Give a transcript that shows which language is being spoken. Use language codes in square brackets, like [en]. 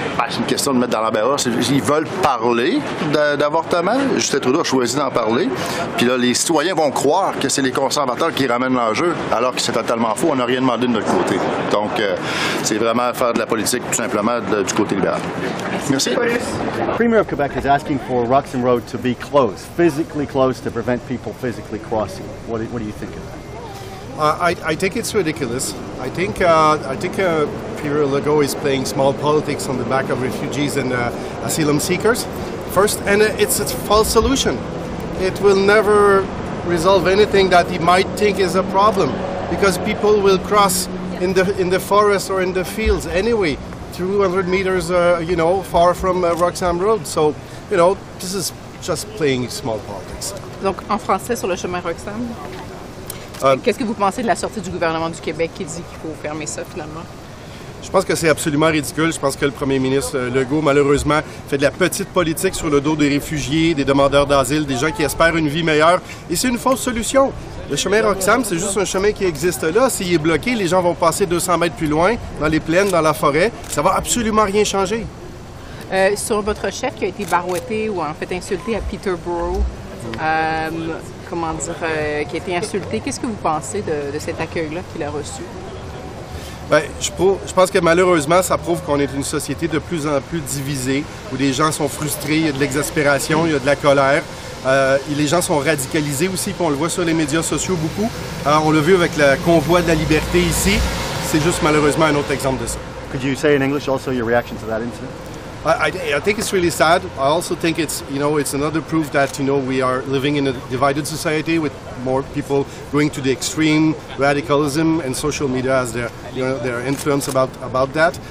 [fr] Ben, c'est une question de mettre dans l'embarras. Ils veulent parler d'avortement. Justin Trudeau a choisi d'en parler. Puis là, les citoyens vont croire que c'est les conservateurs qui ramènent l'enjeu, alors que c'est totalement faux. On n'a rien demandé de notre côté. Donc, c'est vraiment faire de la politique, tout simplement, du côté libéral. Merci. [en] The Premier of Quebec is asking for Roxham Road to be closed, physically closed, to prevent people physically crossing. What do you think of that? I think it's ridiculous. I think Pierre Legault is playing small politics on the back of refugees and asylum seekers. First, and it's a false solution. It will never resolve anything that he might think is a problem, because people will cross in the forest or in the fields anyway, 200 meters, far from Roxham Road. So, you know, this is just playing small politics. [fr] Donc, en français, sur le chemin Roxham, qu'est-ce que vous pensez de la sortie du gouvernement du Québec qui dit qu'il faut fermer ça, finalement? Je pense que c'est absolument ridicule. Je pense que le premier ministre Legault, malheureusement, fait de la petite politique sur le dos des réfugiés, des demandeurs d'asile, des gens qui espèrent une vie meilleure. Et c'est une fausse solution. Le chemin Roxham, c'est juste un chemin qui existe là. S'il est bloqué, les gens vont passer 200 mètres plus loin, dans les plaines, dans la forêt. Ça va absolument rien changer. Sur votre chef qui a été barouetté ou en fait insulté à Peterborough, qui a été insulté, qu'est-ce que vous pensez de cet accueil-là qu'il a reçu? Bien, je pense que malheureusement, ça prouve qu'on est une société de plus en plus divisée, où les gens sont frustrés, il y a de l'exaspération, il y a de la colère. Les gens sont radicalisés aussi, puis on le voit sur les médias sociaux beaucoup. On l'a vu avec le convoi de la liberté ici. C'est juste malheureusement un autre exemple de ça. [en] Could you say in English also your reaction to that incident? I think it's really sad. I also think it's another proof that, you know, we are living in a divided society with more people going to the extreme radicalism, and social media has their influence about that.